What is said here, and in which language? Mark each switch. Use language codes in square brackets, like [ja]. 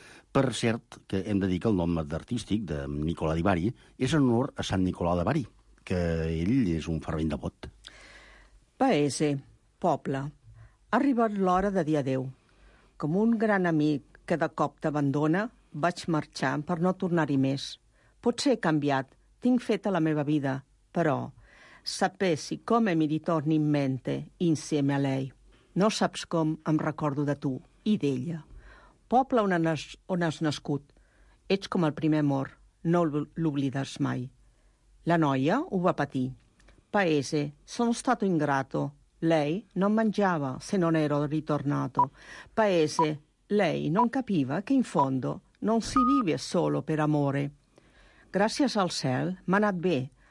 [ca] Per cert, que hem de dir que el nom artístic de Nicola Di Bari és en honor a Sant Nicolau de Bari, que ell és un fervent devot. Paese, poble, ha arribat l'hora de dir adéu. Com un gran amic que de cop t'abandona, vaig marxar per no tornar-hi més. Potser he canviat. Tinc feta la meva vida, però [it] sapessi com mi ritorni in mente insieme a lei. [ca] No saps com em recordo de tu i d'ella. Poble on has nascut, ets com el primer amor, no l'oblides mai. La noia ho va patir. [it] Paese, sono stato ingrato. Lei non mangiava se non ero ritornato. Paese, lei non capiva che in fondo non si vive solo per amore. [ca] Gràcies al cel m'ha anat bé.